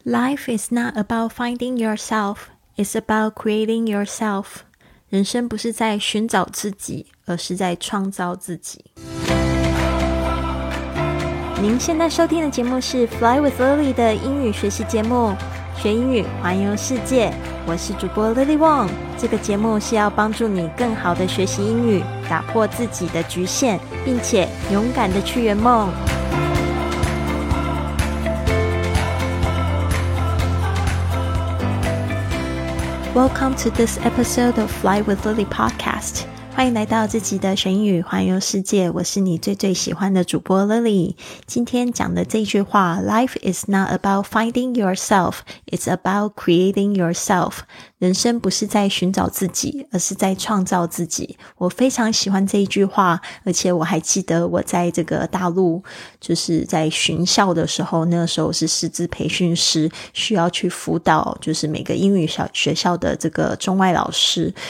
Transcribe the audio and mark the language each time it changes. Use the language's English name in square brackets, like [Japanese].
[English] Life is not about finding yourself, it's about creating yourself. [Chinese] 人生不是在寻找自己，而是在创造自己。您现在收听的节目是 Fly with Lily 的英语学习节目，学英语，环游世界。我是主播 Lily Wong， 这个节目是要帮助你更好的学习英语，打破自己的局限，并且勇敢的去圆梦。 [English] Welcome to this episode of Fly with Lily podcast. [Chinese] 欢迎来到这集的学英语环游世界，我是你最最喜欢的主播 Lily。今天讲的这句话， [English] Life is not about finding yourself, it's about creating yourself. [Chinese] 人生不是在寻找自己，而是在创造自己。我非常喜欢这一句话，而且我还记得我在这个大陆，就是在巡校的时候，那个时候是师资培训师，需要去辅导就是每个英语学校的这个中外老师。